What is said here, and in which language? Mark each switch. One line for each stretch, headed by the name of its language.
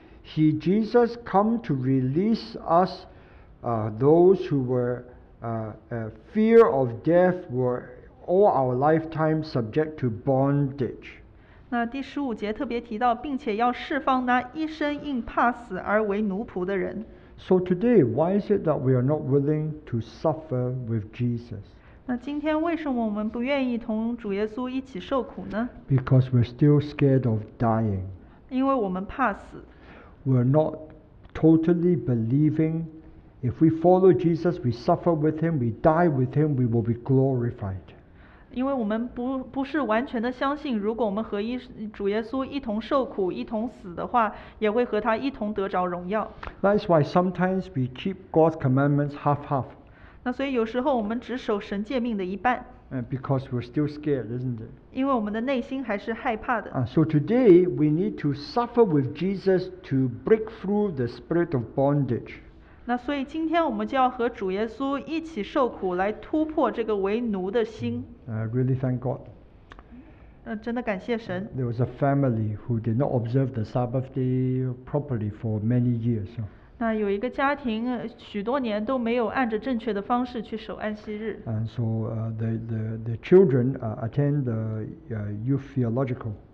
English: He Jesus come to release us, those who were fear of death were all our lifetime subject to bondage.
Chinese: 那第十五节特别提到，并且要释放那一生因怕死而为奴仆的人。
English: So today, why is it that we are not willing to suffer with Jesus?
Chinese: 那今天为什么我们不愿意同主耶稣一起受苦呢？
English: Because we're still scared of dying.
Chinese: 因为我们怕死。
English: We're not totally believing. If we follow Jesus, we suffer with him, we die with him, we will be glorified.
Chinese: 因为我们不是完全的相信，如果我们和主耶稣一同受苦，一同死的话，也会和他一同得着荣耀。
English: That's why sometimes we keep God's commandments half-half.
Chinese: 那所以有时候我们只守神诫命的一半。
English: Because we're still scared, isn't it?
Chinese: 因为我们的内心还是害怕的。
English: So today we need to suffer with Jesus to break through the spirit of bondage.
Chinese: 那所以今天我们就要和主耶稣一起受苦，来突破这个为奴的心。
English: Really thank God.
Chinese: 真的感谢神。
English: There was a family who did not observe the Sabbath day properly for many years.
Chinese: 那有一个家庭，许多年都没有按着正确的方式去守安息日。
English: And so the children attend the youth theological.